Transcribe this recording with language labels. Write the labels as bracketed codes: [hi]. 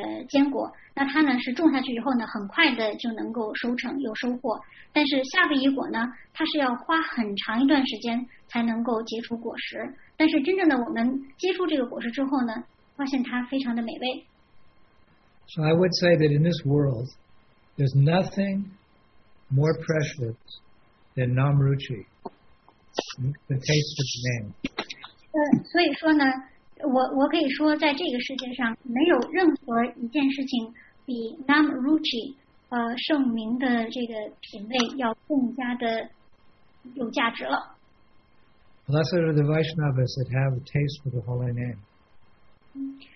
[zh] 坚果那它呢是种下去以后呢很快的就能够收成有收获但是夏威夷果呢它是要花很长一段时间才能够结出果实但是真正的我们结出这个果实之后呢发现它非常的美味。 [en] So I would say that in this world, there's nothing more precious than Namruchi, the taste of the name. [zh] 所以说呢，我可以说，在这个世界上，没有任何一件事情比 Namruchi, 圣名的这个品味要更加的有价值了。 [en] Blessed are the Vaishnavas that have the taste for the holy name.